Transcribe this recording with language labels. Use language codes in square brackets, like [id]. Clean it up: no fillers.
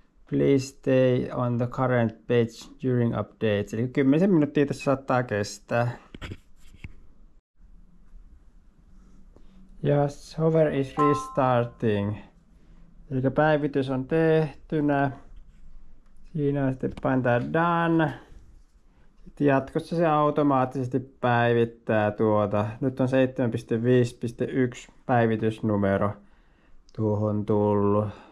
[en] Please stay on the current page during updates. [fi] Eli 10 minuuttia tässä saattaa kestää. [en] Yes, hover is restarting. [fi] Eli päivitys on tehtynä. Siinä on sitten painetaan done. Sitten jatkossa se automaattisesti päivittää tuota. Nyt on 7.5.1 päivitysnumero tuohon tullut.